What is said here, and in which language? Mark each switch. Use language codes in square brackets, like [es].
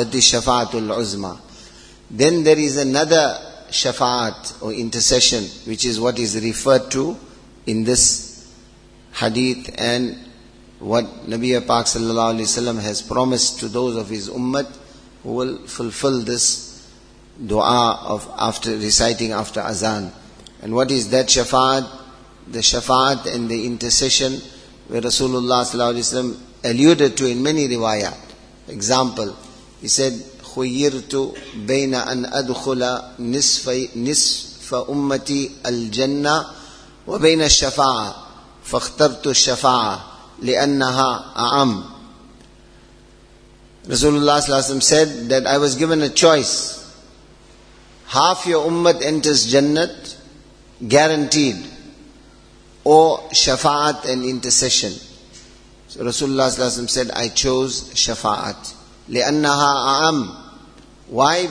[en] That is Shafa'atul Uzma. Then there is another shafa'at or intercession, which is what is referred to in this hadith and what Nabiya Pak sallallahu alayhi wa sallam has promised to those of his ummah who will fulfill this dua of after reciting after azan. And what is that shafa'at? The shafa'at and the intercession where Rasulullah sallallahu alayhi wa sallam alluded to in many riwayat. [ar] Example, he said, خُيِّرْتُ بَيْنَ أَنْ أَدْخُلَ نِصْفَ أُمَّتِي الْجَنَّةِ وَبَيْنَ الشَّفَاعَةِ فَاخْتَرْتُ الشَّفَاعَةِ لِأَنَّهَا أَعَمْ. [en] Rasulullah sallallahu alayhi wa sallam said that I was given a choice. Half your ummah enters Jannat, guaranteed, or shafa'at and intercession. So Rasulullah sallallahu alayhi wa sallam said, I chose shafa'at. [ar] لِأَنَّهَا أَعَمْ. [en] Why?